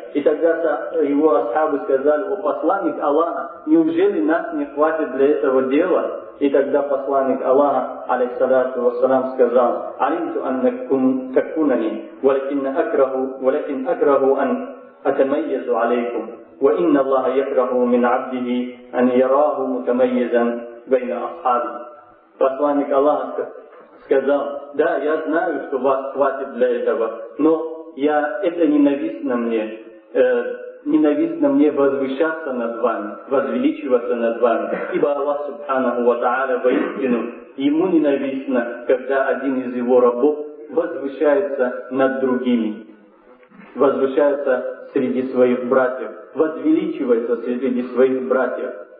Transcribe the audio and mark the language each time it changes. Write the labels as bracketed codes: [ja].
[ru] И тогда его асхабы сказали, о посланник Аллаха, неужели нас не хватит для этого дела? И тогда посланник Аллаха, алейхиссалату вассалям, сказал, [ar] «Алимту аннакум такунани, валякин акраху ан атамайезу алейкум». وإن الله يكره من عبده أن يراه متميزا بين أصحابه. [ru] Посланник Аллаха сказал, да, я знаю, что вас хватит для этого, но я, это ненавистно мне, ненавистно мне возвышаться над вами, возвеличиваться над вами, ибо Аллах Субханаху ва Тааля воистину, ему ненавистно, когда один из его рабов возвышается над другими, возвышается среди своих братьев, возвеличивается среди своих братьев.